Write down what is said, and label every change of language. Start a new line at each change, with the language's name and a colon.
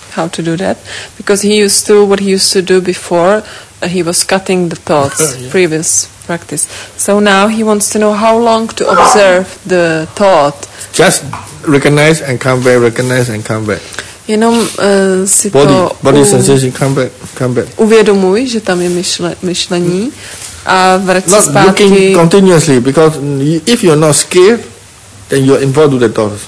English: How to do that, because what he used to do before, he was cutting the thoughts, previous practice. So now he wants to know how long to observe the thought. Just recognize and come back, recognize and come back.
Czech: Jenom si
English: body sensation, come back.
Czech: Uvědomuj, že tam je myšlení a vrať se zpátky.
English: Not looking continuously, because if you're not scared, then you're involved with the thoughts.